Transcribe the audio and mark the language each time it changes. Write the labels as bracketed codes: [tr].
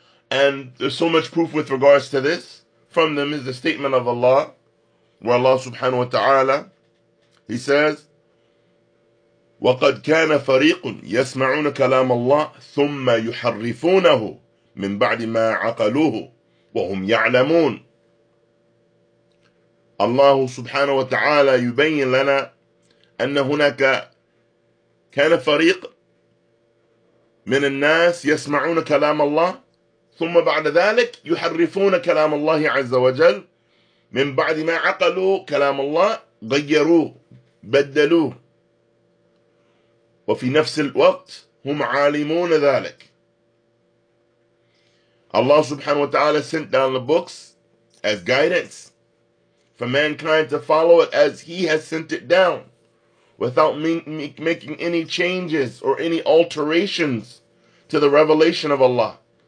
[en] And there's so much proof with regards to this. From them is the statement of Allah, where Allah subhanahu wa ta'ala, He says, [ar] وَقَدْ كَانَ فَرِيقٌ يَسْمَعُونَ كَلَامَ اللَّهِ ثُمَّ يُحَرِّفُونَهُ مِنْ بَعْدِ مَا عَقَلُوهُ وَهُمْ يَعْلَمُونَ. الله سبحانه وتعالى يبين لنا أن هناك كان فريق من الناس يسمعون كلام الله ثم بعد ذلك يحرفون كلام الله عز وجل من بعد ما عقلوا كلام الله, غيروه, بدلوه. وفي نفس الوقت هم عالمون ذلك. [en] Allah subhanahu wa ta'ala sent down the books as guidance for mankind to follow it as He has sent it down, without making any changes or any alterations to the revelation of Allah.